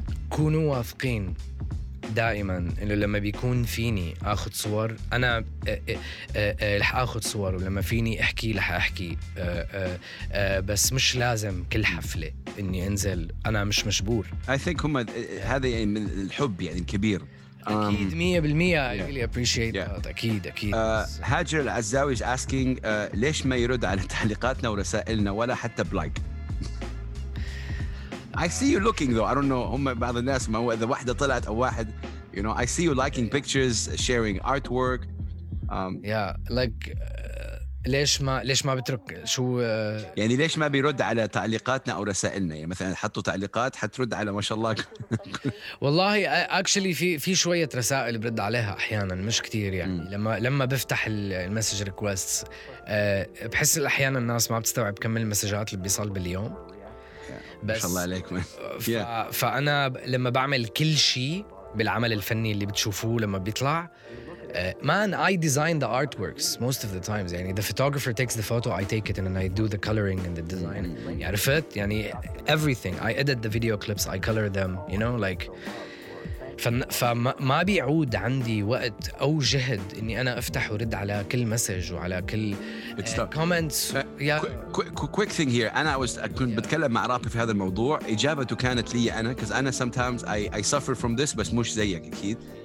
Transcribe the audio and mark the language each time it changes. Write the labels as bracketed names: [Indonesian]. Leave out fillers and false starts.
[Arabic] كونوا واثقين دائما انه لما بيكون فيني اخذ صور انا رح اخذ صور، ولما فيني احكي رح احكي. بس مش لازم كل حفله اني انزل، انا مش مشبور. [English] I think [Arabic] هم هذا يعني من الحب يعني الكبير. اكيد [English] 100% really appreciate that. [Arabic] اكيد. هاجر العزاوي [English] is asking [Arabic] ليش ما يرد على تعليقاتنا ورسائلنا ولا حتى بلايك. [English] I see you looking though. I don't know. [Arabic] هم بعض الناس ما هو إذا واحدة طلعت أو واحد. [English] You know, I see you liking pictures, sharing artwork. Yeah, like [Arabic] ليش ما بترك شو يعني ليش ما بيرد على تعليقاتنا أو رسائلنا؟ يعني مثلاً حطوا تعليقات حترد على ما شاء الله. والله actually في شوية رسائل برد عليها أحياناً، مش كتير يعني. لما بفتح المسج ريكوست بحس أحياناً الناس ما بتستوعب كم المسجات اللي بيصل باليوم. بس شاء الله عليك. فأنا لما بعمل كل شيء بالعمل الفني اللي بتشوفوه لما بيطلع [English] man I design the artworks most of the times. يعني the photographer takes the photo I take it and I do the coloring and the design. [Arabic] عرفت يعني [English] everything I edit the video clips I color them you know like [Arabic] فما بيعود عندي وقت أو جهد إني أنا أفتح ورد على كل مسج وعلى كل comments. [English] Quick thing here. [Arabic] أنا كنت بتكلم مع رابي في هذا الموضوع، إجابته كانت لي أنا because أنا [English] sometimes I suffer from this [Arabic] بس مش زيك أكيد.